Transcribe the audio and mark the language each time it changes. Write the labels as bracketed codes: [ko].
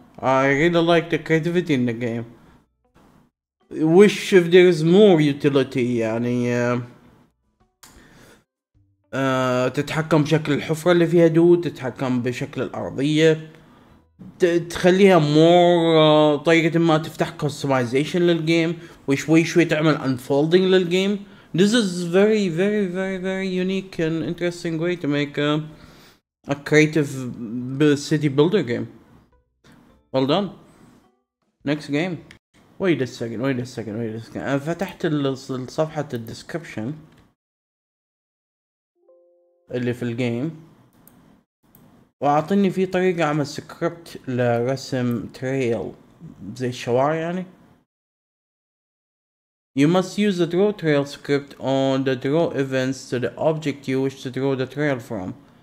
[en] I really like the creativity in the game. Wish if there is more utility. [ar] يعني تتحكم بشكل الحفرة اللي فيها دود، تتحكم بشكل الأرضية، تخليها more طريقة ما تفتح customization للجيم وشوي شوي تعمل unfolding للجيم. [en] This is very very very very unique and interesting way to make a creative city builder game. Well done. Next game. Wait a second, wait a second, wait a second. [ar] أنا فتحت الصفحة الديسكربشن اللي في الجيم وأعطيني في طريقة أعمل سكريبت لرسم تريل زي الشوارع يعني. [en] You must use the draw trail script on the draw events to the object you wish to draw the trail from.